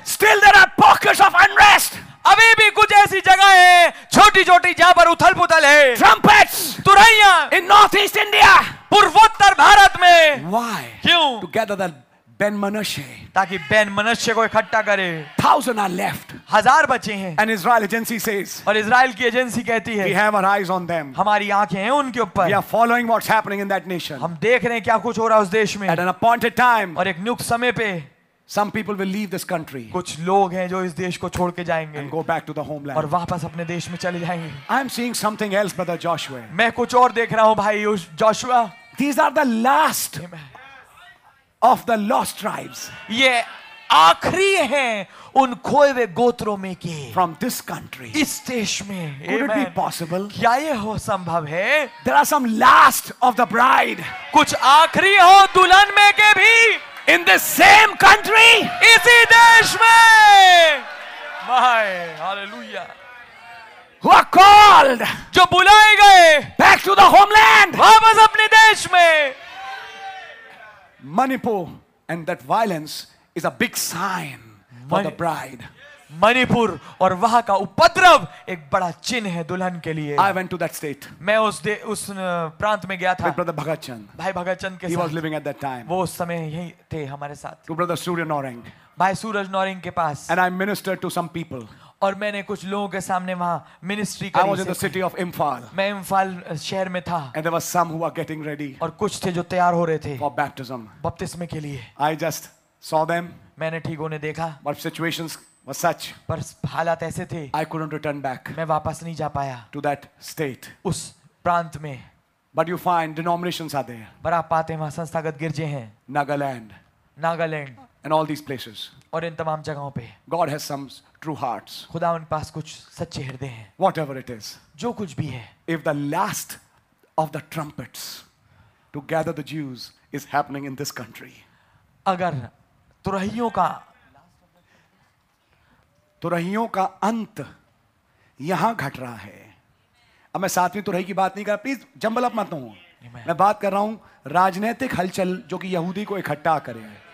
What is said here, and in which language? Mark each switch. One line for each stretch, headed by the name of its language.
English: still there are pockets of unrest.
Hindi: अभी भी कुछ ऐसी जगह है छोटी छोटी जहां पर उथल पुथल है.
English: Trumpets,
Hindi: तुरैया.
English: In North East India,
Hindi: पूर्वोत्तर भारत में.
English: Why?
Hindi: क्यों?
English: To gather the Ben Manashe.
Hindi: ताकि Ben Manashe को इकट्ठा करे.
English: 1000 are left.
Hindi: हजार बचे हैं.
English: And Israel agency says.
Hindi: और इज़राइल की एजेंसी कहती है.
English: We have our eyes on them.
Hindi: हमारी आंखें हैं उनके ऊपर.
English: We are following what's happening in that nation.
Hindi: हम देख रहे हैं क्या कुछ हो रहा है उस देश में.
English: At an appointed time.
Hindi: और एक नियुक्त समय पे.
English: Some people will leave this country.
Hindi: कुछ लोग हैं जो इस देश को छोड़ के जाएंगे.
English: And go back to the homeland.
Hindi: और वापस अपने देश में चले जाएंगे.
English: I am seeing something else, brother Joshua.
Hindi: मैं कुछ और देख रहा हूँ भाई Joshua.
English: These are the last of the lost tribes.
Hindi: ये आखरी हैं उन खोए हुए गोत्रों में के.
English: From this country.
Hindi: इस देश में.
English: Could it be possible?
Hindi: क्या ये हो संभव है?
English: There are some last of the bride.
Hindi: कुछ आखरी हो दुल्हन में के भी.
English: In the same country,
Hindi: isi desh mein,
English: my hallelujah, who are called,
Hindi: jo bulaye gaye,
English: back to the homeland,
Hindi: wapas apne desh mein.
English: Manipur and that violence is a big sign for the bride.
Hindi: Manipur और वहां का उपद्रव एक बड़ा चिन्ह है दुल्हन के लिए.
English: I went to that state.
Hindi: मैं उस प्रांत में गया था.
English: With brother Bhagat Chand.
Hindi: भाई Bhagat Chand के साथ.
English: He was living at that time.
Hindi: वो उस समय यही थे हमारे साथ.
English: To brother Surya Noreng.
Hindi: भाई Suraj Noreng के पास.
English: And I ministered to some people.
Hindi: और मैंने कुछ लोगों के सामने वहां मिनिस्ट्री करी.
English: I was in the city of Imphal.
Hindi: मैं इम्फाल शहर में था.
English: And there were some who were getting ready.
Hindi: और कुछ थे जो तैयार हो रहे थे.
English: For baptism.
Hindi: बपतिस्मे के लिए.
English: I just saw them.
Hindi: मैंने ठीक उन्हें देखा.
English: But situations was such.
Hindi: पर हालात ऐसे थे.
English: I couldn't return back.
Hindi: मैं वापस नहीं जा पाया.
English: To that state.
Hindi: उस प्रांत में.
English: But you find denominations are there.
Hindi: पर आप पाते हैं वहाँ संस्थागत गिरजे हैं.
English: Nagaland. And all these places.
Hindi: और इन तमाम जगहों पे.
English: God has some true hearts.
Hindi: खुदा उनके पास कुछ सच्चे हृदय हैं.
English: Whatever it is.
Hindi: जो कुछ भी है.
English: If the last of the trumpets to gather the Jews is happening in this country.
Hindi: अगर तुरहियों का तुरहियों का अंत यहां घट रहा है. अब मैं सातवीं तुरही की बात नहीं कर रहा. प्लीज जंबल अप मत हूं. मैं बात कर रहा हूं राजनीतिक हलचल जो कि यहूदी को इकट्ठा करे.